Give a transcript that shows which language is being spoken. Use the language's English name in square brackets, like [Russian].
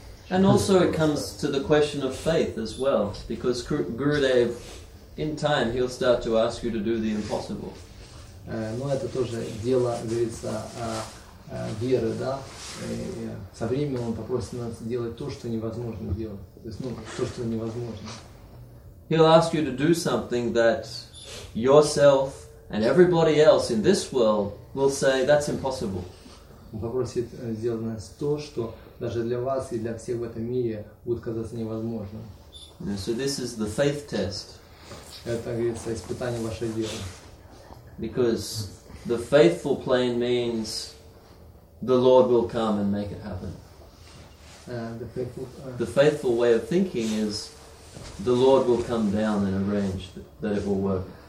[English] And also it comes to the question of faith as well, because Gurudev, in time, he'll start to ask you to do the impossible. [Russian] Ну, это тоже дело, говорится, веры, да, и со временем он попросит нас делать то, что невозможно делать. То есть, ну, то, что невозможно. [English] He'll ask you to do something that yourself and everybody else in this world will say that's impossible. [Russian] Он попросит сделать нас то, что даже для вас и для всех в этом мире будет казаться невозможным. [English] Yeah, so this is the faith test. [Russian] Это, говорится, испытание вашей веры. [English] Because the faithful plane means the Lord will come and make it happen. The faithful way of thinking is the Lord will come down and arrange that it will work.